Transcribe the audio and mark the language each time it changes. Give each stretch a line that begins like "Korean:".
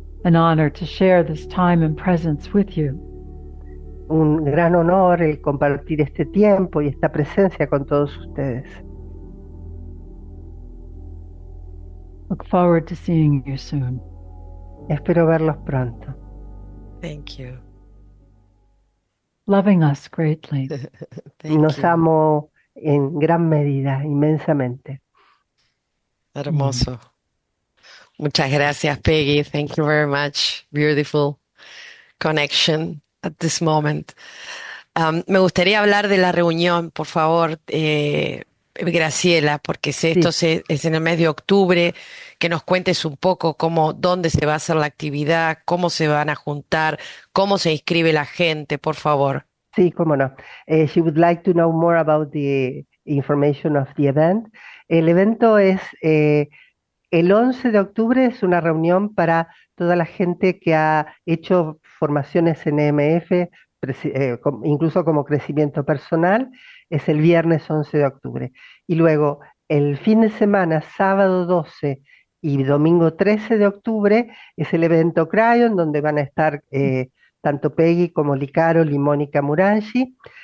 English: An honor to share this time and presence with you.
Spanish: Un gran honor el compartir este tiempo y esta presencia con todos ustedes.
English: Look forward to seeing you soon.
Spanish: Espero verlos pronto.
English: Thank you. Loving us greatly. Thank
Spanish: Nos
English: you.
Spanish: Amo en gran medida, inmensamente. Hermoso. Muchas gracias, Peggy.
English: Thank you very much. Beautiful connection at this moment.
Spanish: Me gustaría hablar de la reunión, por favor, Graciela, porque si esto sí. Es en el mes de octubre, que nos cuentes un poco cómo, dónde se va a hacer la actividad, cómo se van a juntar, cómo se inscribe la gente, por favor. Sí, cómo no.
English: She would like to know more about the information of the event.
Spanish: El evento es el 11 de octubre, es una reunión para toda la gente que ha hecho formaciones en EMF, incluso como crecimiento personal. Es el viernes 11 de octubre. Y luego, el fin de semana, sábado 12 y domingo 13 de octubre, es el evento Cryon, donde van a estar tanto Peggy como Licaro y Mónica Muranchi.